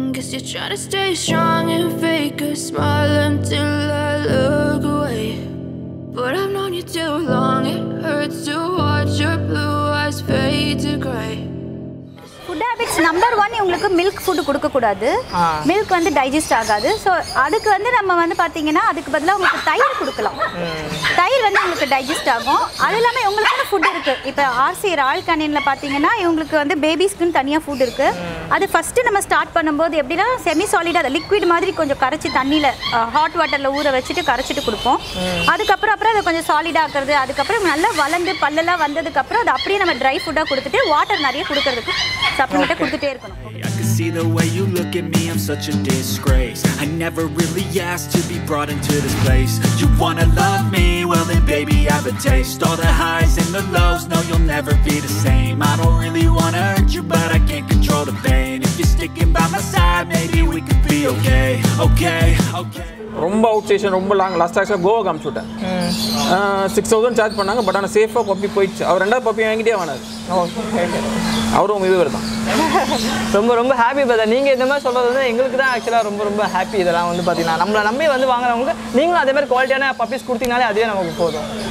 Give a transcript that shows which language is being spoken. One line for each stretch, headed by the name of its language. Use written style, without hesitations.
English: You're trying to stay strong and fake a smile until I look away. But I've known you too long, it hurts to watch your blue eyes fade to gray. Food habits number 1,
Tamil: உங்களுக்கு
English: milk food
Tamil: கொடுக்க கூடாது. milk வந்து digest ஆகாது. So அதுக்கு வந்து நம்ம வந்து பாத்தீங்கன்னா அதுக்கு பதிலா உங்களுக்கு தயிர் கொடுக்கலாம். தயிர் வந்து உங்களுக்கு டைஜஸ்ட் ஆகும். அது இல்லாமல் இவங்களுக்கான ஃபுட் இருக்குது. இப்போ ஆர்சி ராயல் கேனியனில் பார்த்தீங்கன்னா இவங்களுக்கு வந்து பேபிஸ்க்குன்னு தனியாக ஃபுட் இருக்குது. அது ஃபஸ்ட்டு நம்ம ஸ்டார்ட் பண்ணும்போது எப்படின்னா செமி சாலிடாக அதை லிக்விட் மாதிரி கொஞ்சம் கரைச்சி தண்ணியில் ஹாட் வாட்டரில் ஊற வச்சுட்டு கரைச்சிட்டு கொடுப்போம். அதுக்கப்புறம் அதை கொஞ்சம் சாலிடாக ஆக்கிறது, அதுக்கப்புறம் நல்லா வளர்ந்து பல்லெல்லாம் வந்ததுக்கப்புறம் அதை அப்படியே நம்ம ட்ரை ஃபுட்டாக கொடுத்துட்டு வாட்டர் நிறைய கொடுக்கறதுக்கு சப்ளிமெண்ட்டாக கொடுத்துட்டே இருக்கணும்.
English: See the way you look at me, I'm such a disgrace. I never really asked to be brought into this place. You wanna love me, well then baby have a taste. All the highs and the lows, no you'll never be the same. I don't really wanna hurt you, but I can't control the pain. If you're sticking by my side, maybe we could be okay. Okay, okay.
Tamil: ரொம்ப out station, ரொம்ப long. Last ஆக்சுவலாக Goa காமிச்சுட்டேன். 6000 charge பண்ணாங்க, but ஆனால் சேஃபாக puppy போயிடுச்சு. அவர் ரெண்டாவது puppy வாங்கிட்டே வாங்கினார். அவரும் உங்கள் இது வருதான். ரொம்ப ரொம்ப ஹாப்பி பார்த்தா. நீங்கள் இந்த மாதிரி சொல்கிறது வந்து எங்களுக்கு தான் ஆக்சுவலாக ரொம்ப ரொம்ப ஹாப்பி. இதெல்லாம் வந்து பார்த்தீங்கன்னா நம்மளை நம்பி வந்து வாங்குறவங்களுக்கு நீங்களும் அதே மாதிரி குவாலிட்டியான பப்பிஸ் கொடுத்தீங்கனாலே அதே நமக்கு போதும்.